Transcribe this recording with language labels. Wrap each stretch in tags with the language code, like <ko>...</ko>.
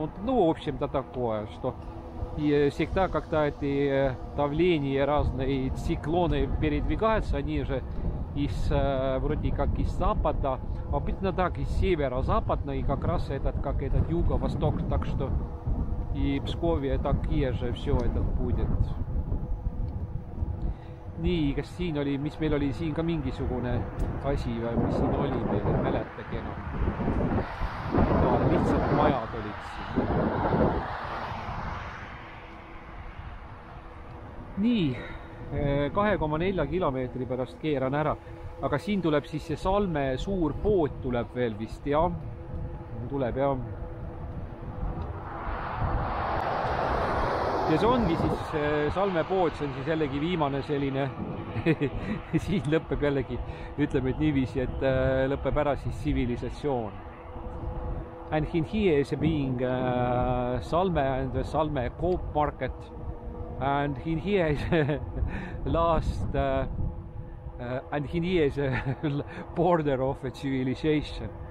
<ru>Ну, в общем-то, такое, что и всегда, когда эти давления разные, циклоны передвигаются, они же из, вроде как из запада, обычно так, из северо-западной, и как раз этот, как этот юго-восток, так что и Псковье такие же все это будет.</ru> <et>Nii, kas siin oli, mis meil oli siin ka mingisugune asi või mis siin oli, meil ei mäleta keno. No, lihtsalt majad olid siin. Nii, 2,4 kilomeetri pärast keeran ära. Aga siin tuleb siis see Salme suur poot tuleb veel vist, jah. Tuleb, jah. Ja see ongi siis Salme pood, see on siis jällegi viimane selline siin lõpeb jällegi, ütleme, et niiviisi, et lõpeb ära siis sivilisatsioon.</et> <en>And in here is being Salme and the Salme Coop Market. And in here is last and in here is a border of a civilization.</en>